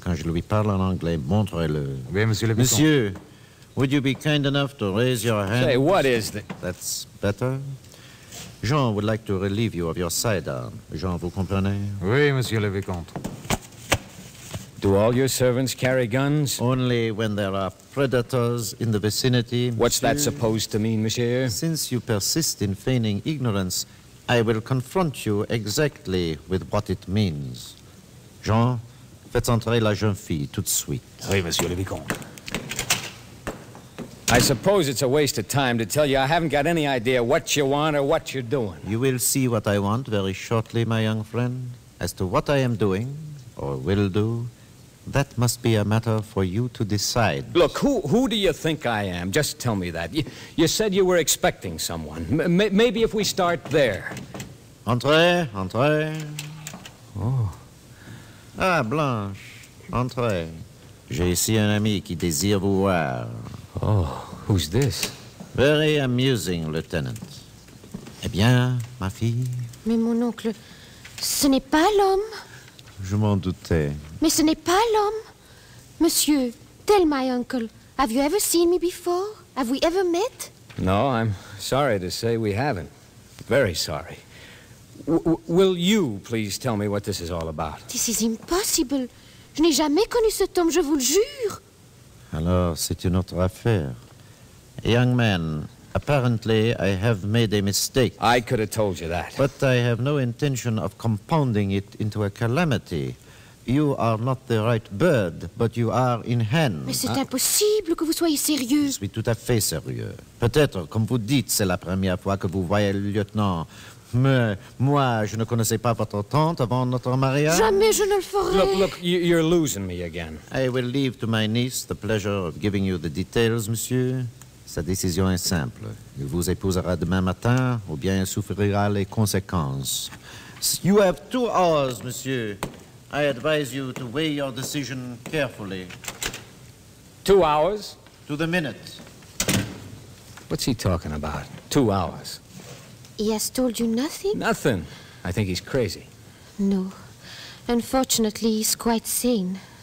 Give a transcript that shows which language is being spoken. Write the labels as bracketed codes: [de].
[fr] Quand je lui parle en anglais, montrez-le. Oui, monsieur le vicomte. Monsieur. [en] Would you be kind enough to raise your hand? Say, what is the... That's better. Jean would like to relieve you of your sidearm. [fr] Jean, vous comprenez? Oui, monsieur le vicomte. [en] Do all your servants carry guns? Only when there are predators in the vicinity, monsieur. What's that supposed to mean, monsieur? Since you persist in feigning ignorance, I will confront you exactly with what it means. [fr] Jean, faites entrer la jeune fille tout de suite. Oui, monsieur le vicomte. [en] I suppose it's a waste of time to tell you I haven't got any idea what you want or what you're doing. You will see what I want very shortly, my young friend. As to what I am doing or will do, that must be a matter for you to decide. Look, who do you think I am? Just tell me that. You said you were expecting someone. Maybe if we start there. [fr] Entrez. Oh. Ah, Blanche, entrez. J'ai ici un ami qui désire vous voir. [en] Oh, who's this? Very amusing, Lieutenant. [fr] Eh bien, ma fille? Mais mon oncle, ce n'est pas l'homme. Je m'en doutais. Mais ce n'est pas l'homme. [en] Monsieur, tell my uncle, have you ever seen me before? Have we ever met? No, I'm sorry to say we haven't. Very sorry. Will you please tell me what this is all about? This is impossible. [fr] Je n'ai jamais connu cet homme, je vous le jure. Alors, c'est une autre affaire. [en] Young man, apparently I have made a mistake. I could have told you that. But I have no intention of compounding it into a calamity. You are not the right bird, but you are in hand. [fr] Mais c'est impossible que vous soyez sérieux. Je suis tout à fait sérieux. Peut-être, comme vous dites, c'est la première fois que vous voyez le lieutenant. Mais moi, je ne connaissais pas votre tante avant notre mariage. Jamais je ne le ferai. [en] Look, you're losing me again. I will leave to my niece the pleasure of giving you the details, monsieur. [fr] Sa décision est simple. Il vous épousera demain matin ou bien il souffrira les conséquences. [en] You have 2 hours, monsieur. I advise you to weigh your decision carefully. 2 hours? To the minute. What's he talking about? 2 hours. He has told you nothing? Nothing. I think he's crazy. No. Unfortunately, he's quite sane.